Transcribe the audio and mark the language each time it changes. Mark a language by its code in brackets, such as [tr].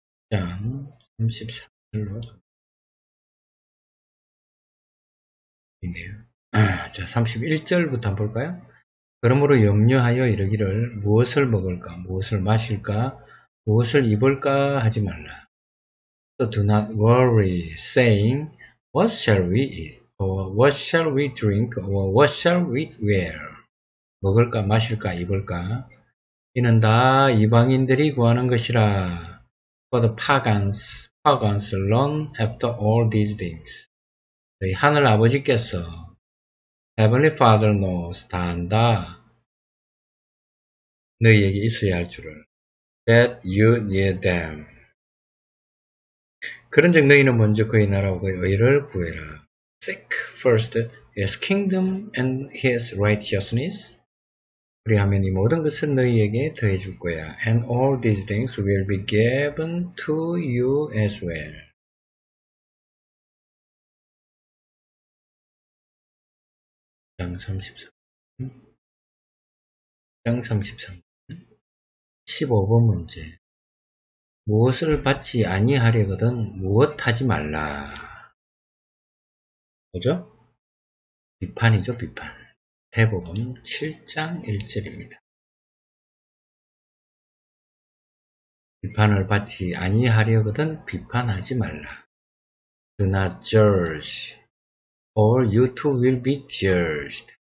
[ko] 6장 33절로 있네요. 자, 31절부터 한번 볼까요? 그러므로 염려하여 이르기를 무엇을 먹을까, 무엇을 마실까, 무엇을 입을까 하지 말라. [en] So do not worry, saying, what shall we eat, or what shall we drink, or what shall we wear? [ko] 먹을까, 마실까, 입을까? 이는 다 이방인들이 구하는 것이라. [en] For the pagans long after all these things. [ko] 너희 하늘 아버지께서, [en] Heavenly Father knows, [ko] 다 안다. 너희에게 있어야 할 줄을. [en] That you need them. [ko] 그런즉 너희는 먼저 그의 나라와 그의 의를 구해라. [en] Seek first his kingdom and his righteousness. [ko] 그리하면 이 모든 것을 너희에게 더해줄 거야. [en] And all these things will be given to you as well. [ko] 장 33장 33 15번 문제. 무엇을 받지 아니하려거든 무엇하지 말라. 뭐죠? 비판이죠. 비판. 대부분 7장 1절입니다. 비판을 받지 아니하려거든 비판하지 말라. [en] Do not judge or you too will be judged.